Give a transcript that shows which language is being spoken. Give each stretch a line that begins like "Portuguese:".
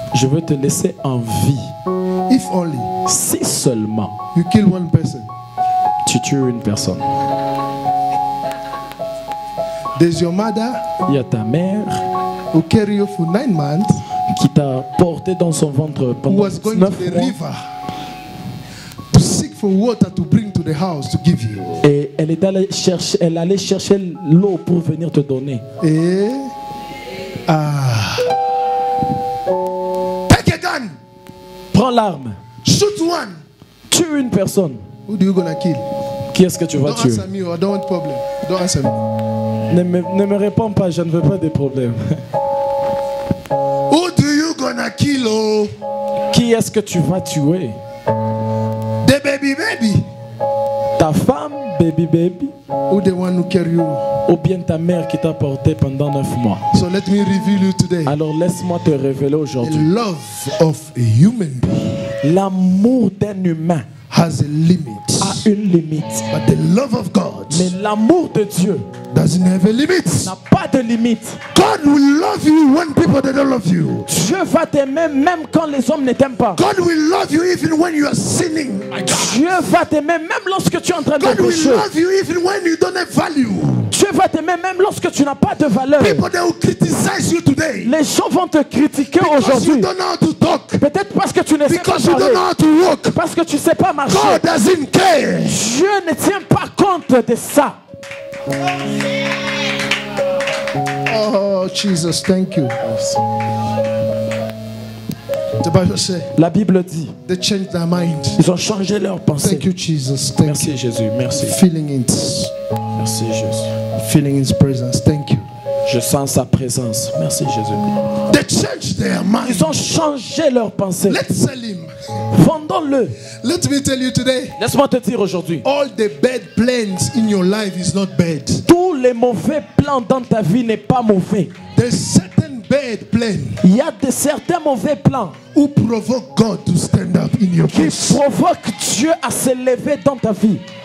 French: Je veux te laisser en vie.
English: If only.
French: Si seulement.
English: You kill one person.
French: Tu tues une personne.
English: There's your mother.
French: Il y a ta mère.
English: Who carry you for 9 months.
French: Qui t'a porté dans son ventre pendant 9 mois.
English: Who was going to the river to seek for water to bring to the house to give you.
French: Et elle est allée chercher, elle allait chercher l'eau pour venir te donner.
English: Et take a gun.
French: Prends l'arme.
English: Shoot one.
French: Tue une personne.
English: Who do you gonna kill?
French: Qui est-ce que tu vas tuer?
English: Don't answer me. I don't want problem. Don't answer me.
French: Ne me réponds pas. Je ne veux pas de problème.
English: Who do you gonna kill? Oh?
French: Qui est-ce que tu vas tuer?
English: The baby, baby.
French: Ta femme, baby, baby.
English: Who the one who carry you?
French: Ou bien ta mère qui t'a porté pendant 9 mois.
English: So let me reveal you today.
French: Alors laisse-moi te révéler aujourd'hui.
English: The love of a human being.
French: L'amour d'un humain
English: has a limit.
French: A une limite.
English: But the love of God.
French: Mais l'amour de Dieu
English: doesn't have a limit.
French: N'a pas de limite.
English: God will love you when people don't love you.
French: Dieu va t'aimer même quand les hommes ne t'aiment pas.
English: God will love you even when you are sinning.
French: Dieu va t'aimer même lorsque tu es en train
English: God
French: de pécher.
English: God will love you even when you don't have value.
French: Dieu va t'aimer même lorsque tu n'as pas de valeur.
English: People, they will criticize you today.
French: Les gens vont te critiquer
English: because
French: aujourd'hui.
English: You don't know how to talk.
French: Peut-être parce que tu ne sais
English: because
French: pas parler.
English: You don't know how to walk.
French: Parce que tu ne sais pas marcher.
English: God doesn't care.
French: Dieu ne tient pas compte de ça.
English: Oh, Jesus, thank you.
French: La Bible dit,
English: they changed their mind.
French: Ils ont changé leur pensée.
English: Thank you, Jesus. Thank
French: merci,
English: you.
French: Jésus. Merci.
English: Feeling it.
French: Merci, Jésus.
English: Feeling his presence. Thank you.
French: Je sens sa présence. Merci, Jésus.
English: They changed their mind.
French: Ils ont changé leur pensée.
English: Let's sell him.
French: Vendons-le.
English: Let me tell you today.
French: Laisse-moi te dire aujourd'hui.
English: All the bad plans in your life is not bad.
French: Tous les mauvais plans dans ta vie n'est pas mauvais.
English: There's certain bad plans.
French: Il y a de certains mauvais plans.
English: Who provoke God to stand up in your
French: qui
English: place.
French: Qui provoque Dieu à se lever dans ta vie.